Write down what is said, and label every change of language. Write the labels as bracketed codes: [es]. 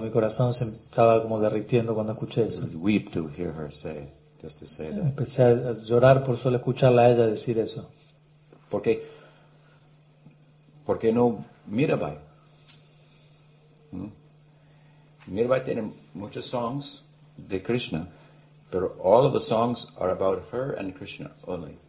[es] Mi corazón se estaba como derritiendo cuando escuché eso. [en] I weep to hear her say, just to say that. [es] Empecé a llorar por solo escucharla a ella decir eso. ¿Por qué no Mirabai? Mirabai tiene muchos songs de Krishna, pero [en] all of the songs are about her and Krishna only.